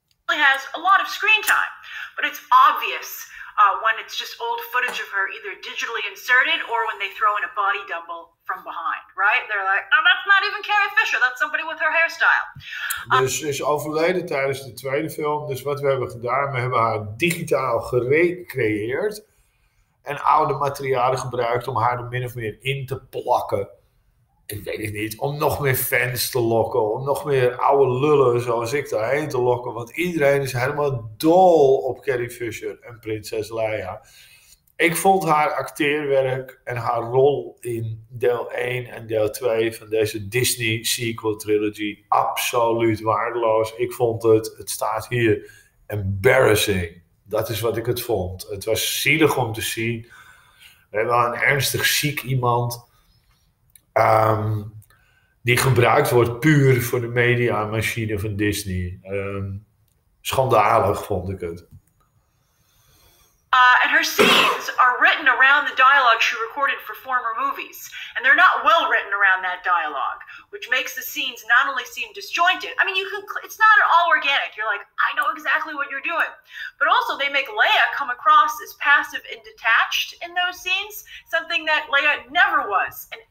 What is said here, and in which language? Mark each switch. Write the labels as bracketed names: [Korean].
[English] She has a lot of screen time, but it's obvious. When it's just old footage of her either digitally inserted or when they throw in a body double from behind, right? They're like, oh, that's not even Carrie Fisher, that's somebody with her hairstyle. [Dutch] Dus is overleden tijdens de tweede film. Dus wat we hebben gedaan, we hebben haar digitaal gerecreëerd en oude materialen gebruikt om haar er min of meer in te plakken. Ik weet het niet, om nog meer fans te lokken, om nog meer oude lullen zoals ik daarheen te lokken. Want iedereen is helemaal dol op Carrie Fisher en Prinses Leia. Ik vond haar acteerwerk en haar rol in deel 1 en deel 2 van deze Disney sequel trilogy absoluut waardeloos. Ik vond het staat hier, embarrassing. Dat is wat ik het vond. Het was zielig om te zien. We hebben een ernstig ziek iemand... die gebruikt wordt puur voor de mediamachine van Disney. Schandalig vond ik het. [English] And her scenes are written around the dialogue she recorded for former movies. And they're not well written around that dialogue, which makes the scenes not only seem disjointed. I mean, it's not at all organic. You're like, I know exactly what you're doing. But also, they make Leia come across as passive and detached in those scenes, something that Leia never was.